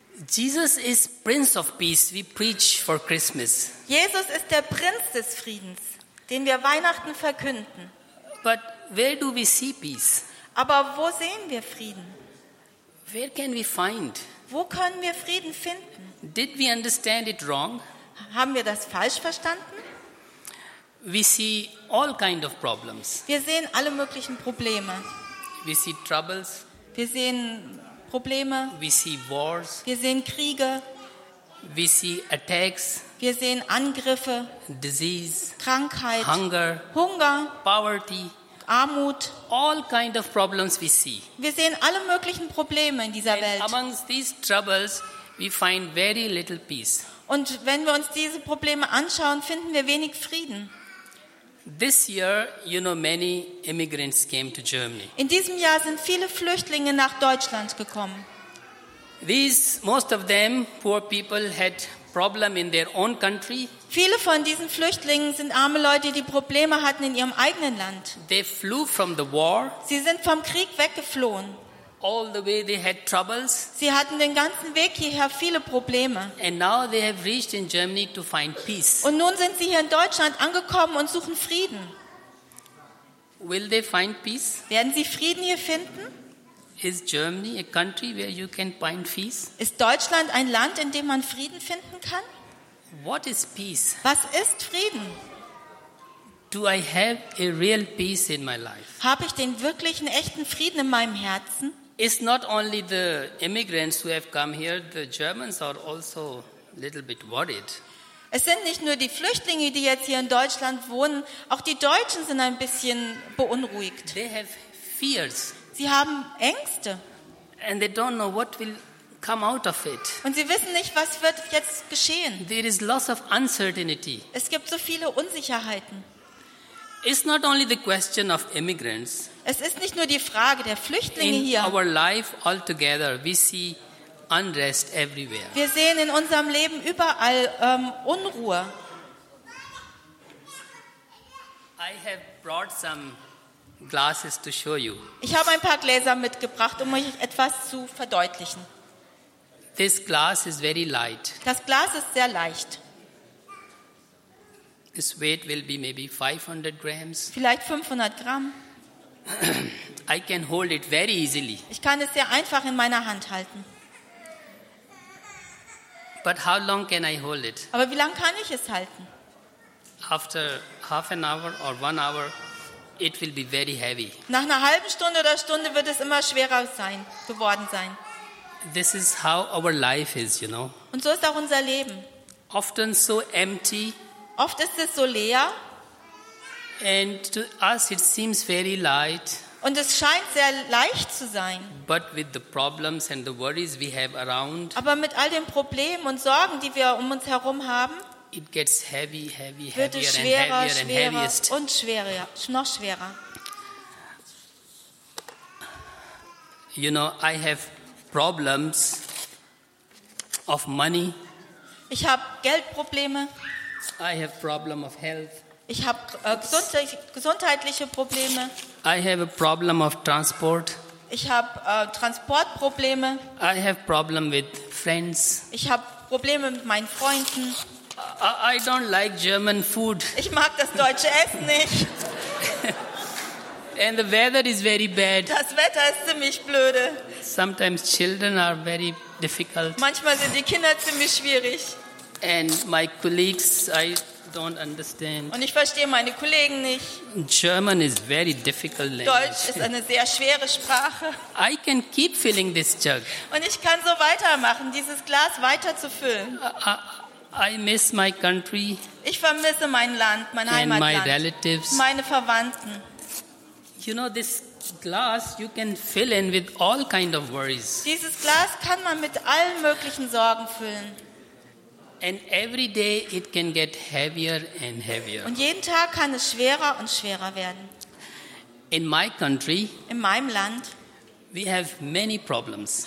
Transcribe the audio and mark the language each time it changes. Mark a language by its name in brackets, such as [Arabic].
[English] Jesus is Prince of Peace. We preach for Christmas. [German] Jesus ist der Prinz des Friedens, den wir Weihnachten verkünden. [English] But where do we see peace? [German] Aber wo sehen wir Frieden? [English] Where can we find? [German] Wo können wir Frieden finden? [English] Did we understand it wrong? [German] Haben wir das falsch verstanden? [English] We see all kind of problems. [German] Wir sehen alle möglichen Probleme. [English] We see troubles. [German] Wir sehen Probleme. [English] We see wars. [German] Wir sehen Kriege. [English] We see attacks. [German] Wir sehen Angriffe. [English] Disease. [German] Krankheit. [English] Hunger. [German] Hunger. [English] Poverty. [German] Armut. [English] All kind of problems we see. [German] Wir sehen alle möglichen Probleme in dieser [English] And [German] Welt. [English] Amongst these troubles, we find very little peace. [German] Und wenn wir uns diese Probleme anschauen, finden wir wenig Frieden. [English] This year, you know, many immigrants came to Germany. [German] In diesem Jahr sind viele Flüchtlinge nach Deutschland gekommen. [English] These most of them poor people had problem in their own country. [German] Viele von diesen Flüchtlingen sind arme Leute, die Probleme hatten in ihrem eigenen Land. [English] They flew from the war. [German] Sie sind vom Krieg weggeflohen. [English] All the way they had troubles. [German] Sie hatten den ganzen Weg hierher viele Probleme. [English] And now they have reached in Germany to find peace. [German] Und nun sind sie hier in Deutschland angekommen und suchen Frieden. [English] Will they find peace? [German] Werden sie Frieden hier finden? [English] Is Germany a country where you can find peace? [German] Ist Deutschland ein Land, in dem man Frieden finden kann? [English] What is peace? [German] Was ist Frieden? [English] Do I have a real peace in my life? [German] Habe ich den wirklichen echten Frieden in meinem Herzen? [English] It's not only the immigrants who have come here, the Germans are also a little bit worried. [German] Es sind nicht nur die Flüchtlinge, die jetzt hier in Deutschland wohnen, auch die Deutschen sind ein bisschen beunruhigt. [English] They have fears. [German] Sie haben Ängste. [English] And they don't know what will come out of it. [German] Und sie wissen nicht, was wird jetzt geschehen. [English] There is lots of uncertainty. [German] Es gibt so viele Unsicherheiten. [English] It's not only the question of immigrants. [German] Es ist nicht nur die Frage der Flüchtlinge hier. [English] In our life altogether, we see unrest everywhere. [German] Wir sehen in unserem Leben überall Unruhe. [English] I have brought some glasses to show you. [German] Ich habe ein paar Gläser mitgebracht, um euch etwas zu verdeutlichen. [English] This glass is very light. [German] Das Glas ist sehr leicht. [English] Its weight will be maybe 500 grams. [German] Vielleicht 500 Gramm. [English] I can hold it very easily. [German] Ich kann es sehr einfach in meiner Hand halten. [English] But how long can I hold it? [German] Aber wie lange kann ich es halten? [English] After half an hour or 1 hour, it will be very heavy. [German] Nach einer halben Stunde oder Stunde wird es immer schwerer sein, geworden sein. [English] This is how our life is, you know. [German] Und so ist auch unser Leben. [English] Often so empty. [German] Oft ist es so leer. [English] And to us it seems very light. [German] Und es scheint sehr leicht zu sein. [English] But with the problems and the worries we have around. [German] Aber mit all den Problemen und Sorgen, die wir um uns herum haben, [English] it gets heavy, heavy, heavier and heavier and heavier. [German] Wird es schwerer, schwerer und schwerer, noch schwerer. [English] You know, I have problems of money. [German] Ich habe Geldprobleme. [English] I have problem of health. [German] Ich habe gesundheitliche Probleme. [English] I have a problem of transport. [German] Ich habe Transportprobleme. [English] I have problem with friends. [German] Ich habe Probleme mit meinen Freunden. [English] I don't like German food. [German] Ich mag das deutsche Essen nicht. [English] And the weather is very bad. [German] Das Wetter ist ziemlich blöde. [English] Sometimes children are very difficult. [German] Manchmal sind die Kinder ziemlich schwierig. [English] And my colleagues, I don't understand. [German] Und ich verstehe meine Kollegen nicht. [English] German is very difficult language. [German] Deutsch ist eine sehr schwere Sprache. [English] I can keep filling this jug. [German] Und ich kann so weitermachen, dieses Glas weiterzufüllen. [English] I miss my country. [German] Ich vermisse mein Land, mein Heimatland. [English] And my relatives. [German] Meine Verwandten. [English] You know, this glass you can fill in with all kind of worries. [German] Dieses Glas kann man mit allen möglichen Sorgen füllen. [English] And every day it can get heavier and heavier. [German] Und jeden Tag kann es schwerer und schwerer werden. [English] In my country, [German] in meinem Land, [English] we have many problems.